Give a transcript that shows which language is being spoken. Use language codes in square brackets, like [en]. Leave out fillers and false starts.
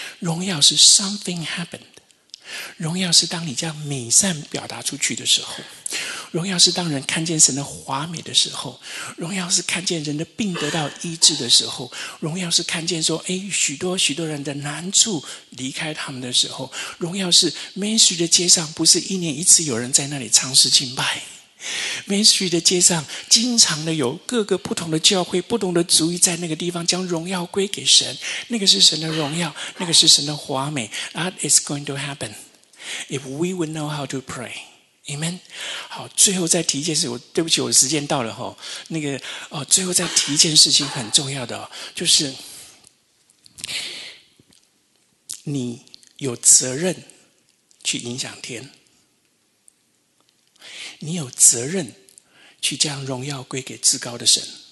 [zh] 荣耀是 [en] something happened， [zh] 荣耀是当你将美善表达出去的时候，荣耀是当人看见神的华美的时候，荣耀是看见人的病得到医治的时候，荣耀是看见说哎，许多许多人的难处离开他们的时候，荣耀是 Main Street 的街上不是一年一次有人在那里唱诗敬拜，Main Street 的街上经常的有各个不同的教会不同的族裔在那个地方将荣耀归给神，那个是神的荣耀，那个是神的华美。 [en] That is going to happen if we would know how to pray。 Amen。 [zh] 好，最后再提一件事，对不起我时间到了，最后再提一件事情很重要的，就是你有责任去影响天，你有责任去将荣耀归给至高的神。